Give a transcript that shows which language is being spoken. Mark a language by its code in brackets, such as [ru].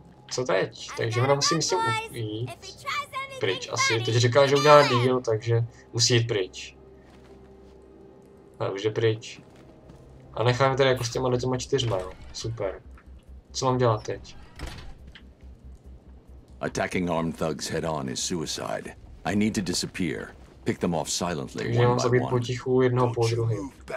[cs] Co teď? Takže ona musí s tím jít pryč asi. Teď říká, že udělá deal, takže musí jít pryč. A už je pryč. A necháme tady jako s těma lidma čtyřma, jo. Super. Co mám dělat teď? [en] Attacking armed thugs head on is suicide. I need to disappear. Pick them off silently one by one. [cs] Takže mám zabít potichu jednoho po druhém.